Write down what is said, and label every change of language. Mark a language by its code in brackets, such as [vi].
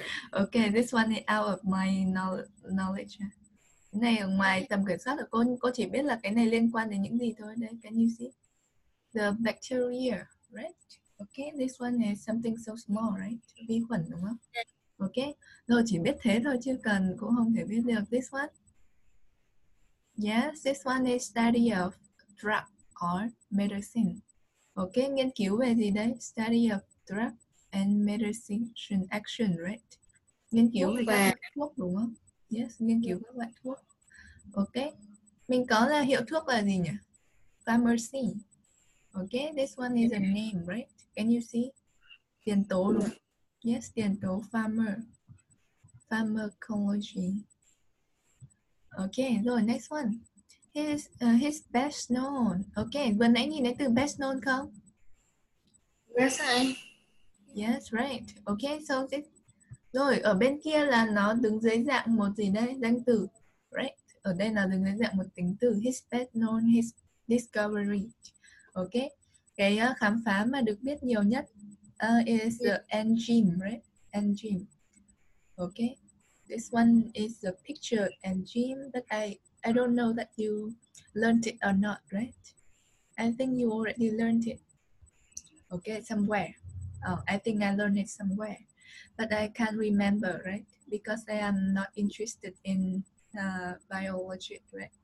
[en] Ok, this one is out of my knowledge. [vi] Cái này ở ngoài tầm kiểm soát của cô chỉ biết là cái này liên quan đến những gì thôi đấy. [en] Can you see? The bacteria, right? Okay, this one is something so small, right? [vi] Vi khuẩn đúng không? Okay, rồi chỉ biết thế thôi chứ cần cũng không thể biết được. [en] This one? Yes, this one is study of drug or medicine. Okay, [vi] nghiên cứu về gì đấy? [en] Study of drug and medicine action, right? [vi] Nghiên cứu về thuốc đúng không? Yes, nghiên cứu các loại thuốc. Ok. Mình có là hiệu thuốc là gì nhỉ? [en] Pharmacy. Ok, this one is a name, right? Can you see? [vi] Tiền tố đúng. Yes, tiền tố pharmacology. [en] Ok, rồi next one. He's best known. [vi] Ok, vừa nãy nhìn thấy từ best known không? [en] Yes, I. Yes, right. Ok, so this. [vi] Rồi, ở bên kia là nó đứng dưới dạng một gì đây? Danh từ, right? Ở đây là đứng dưới dạng một tính từ. [en] His best known, his discovery. [vi] Ok? Cái khám phá mà được biết nhiều nhất [en] is the enzyme, right? Enzyme. Ok? This one is the picture enzyme, but I don't know that you learned it or not, right? I think you already learned it. Ok? Somewhere. I think I learned it somewhere. but I can't remember, right? Because I am not interested in biology, right?